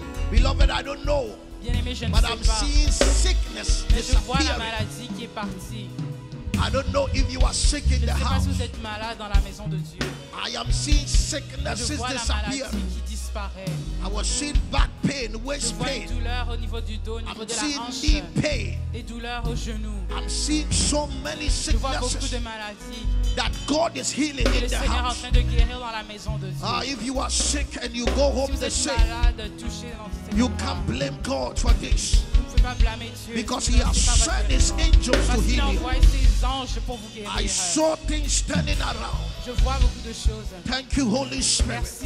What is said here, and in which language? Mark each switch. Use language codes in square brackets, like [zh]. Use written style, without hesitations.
[en] Beloved, I don't know, but I'm seeing sickness disappearing. I don't know if you are sick in the house. [fr] Si vous êtes malade dans la maison de Dieu. [en] I am seeing sicknesses disappear. [fr] Qui disparaît. [en] I was seeing back pain, waist pain. [fr] Je vois douleur au niveau du dos, au niveau de la hanche. [en] I'm seeing so many sicknesses. [fr] Je vois beaucoup de maladies. [en] That God is healing in the house. [fr] Le Seigneur est en train de guérir dans la maison de Dieu. [en] If you are sick and you go home [fr] si [en] the same, [fr] malade, [en] you can't blame God for this. Because he has sent his angels to heal you. I saw things turning around. Thank you, Holy Spirit.